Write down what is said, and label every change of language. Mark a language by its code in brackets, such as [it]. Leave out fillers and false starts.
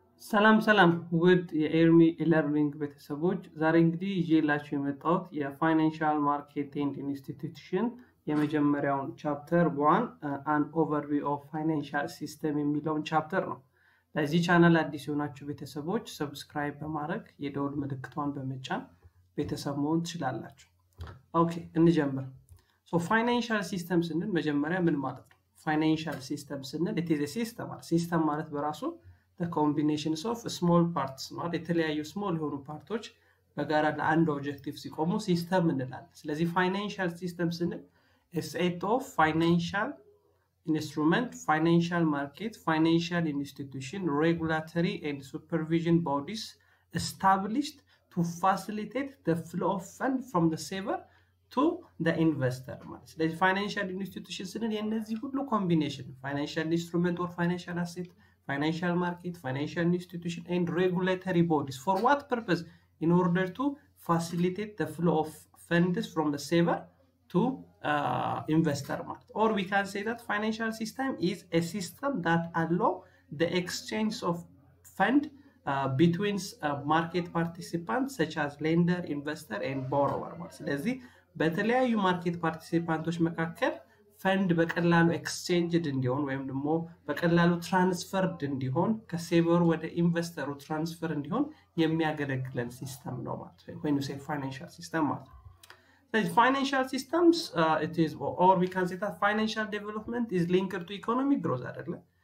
[am] ሰላም ሰላም ውድ የኤርሚ E-learning ቤተሰቦች ዛሬ እንግዲህ ይዤላችሁ የመጣሁት የፋይናንሻል ማርኬቲንግ ኢንስቲትዩሽን የመጀመሪያውን ቻፕተር 1 አን ኦቨርቪው ኦፍ ፋይናንሻል ሲስተም የሚለውን ቻፕተር ነው። ለዚህ ቻናል አዲስ የሆናችሁ ቤተሰቦች ሰብስክራይብ በማረግ የደውል ምልክቷን በመጫን ቤተሰብ መሆን ትችላላችሁ። ኦኬ እንጀምር። ሶ ፋይናንሻል ሲስተም ስንል መጀመሪያ ምን ማለት ነው? [en] ፋይናንሻል ሲስተም ስንል ኢት ኢዝ ሲስተም ሲስተም ማለት በራሱ the combinations of small parts [am] ማለት የተለያዩ small የሆኑ ፓርቶች በጋራ ለአንድ ኦብጀክቲቭ ሲቆሙ ሲስተም እንላለን። [en] ስለዚህ ፋይናንሻል ሲስተም ስንል a set of financial instrument, financial market, financial institution, regulatory and supervision bodies established to facilitate the flow of funds from the saver to the investor. [am] ስለዚህ [en] financial institution ስንል የነዚህ ሁሉ combination financial instrument or financial asset, financial market, financial institution and regulatory bodies. For what purpose? In order to facilitate the flow of funds from the saver to investor market. Or we can say that financial system is a system that allow the exchange of fund between market participants such as lender, investor and borrower. [am] ስለዚህ በተለያዩ ማርኬት ፓርቲሲፓንቶች መካከል ፈንድ በቀላሉ ኤክስቼንጅድ እንዲሆን ወይም ደግሞ በቀላሉ ትራንስፈርድ እንዲሆን ከሴቨሩ ወደ ኢንቨስተሩ ትራንስፈር እንዲሆን የሚያገለግለን ሲስተም ነው ማለት ነው። [en] when you say financial system [am] ማለት ስለዚህ [en] financial systems it is or we can say that financial development is linked to economic growth [am] አይደለ?